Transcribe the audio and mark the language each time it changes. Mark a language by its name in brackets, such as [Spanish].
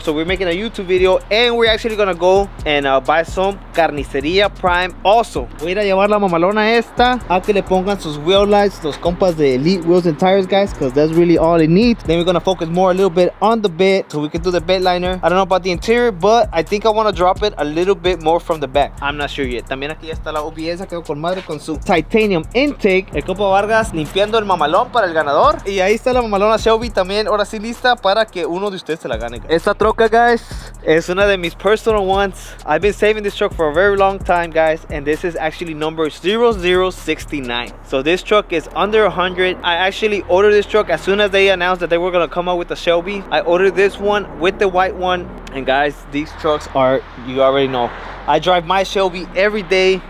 [English] So we're making a YouTube video, and we're actually gonna go and buy some Carnicería Prime. [Spanish] Also, voy a llevar la mamalona esta a que le pongan sus wheel lights, los compas de Elite Wheels and Tires, guys, [English] because that's really all they need. Then we're gonna focus more a little bit on the bed, so we can do the bed liner. I don't know about the interior, but I think I want to drop it a little bit more from the back. I'm not sure yet. [Spanish] También aquí está la OBS, quedó con madre con su titanium intake. El Copa Vargas limpiando el mamalón para el ganador. Y ahí está la mamalona Shelby también, ahora sí lista para que uno de ustedes se la gane. Esta troca, guys, es una de mis [English] personal ones. I've been saving this truck for a very long time, guys, and this is actually number 0069. So this truck is under 100. I actually ordered this truck as soon as they announced that they were going to come out with the Shelby. I ordered this one with the white one, and guys, these trucks are, you already know, I drive my Shelby every day.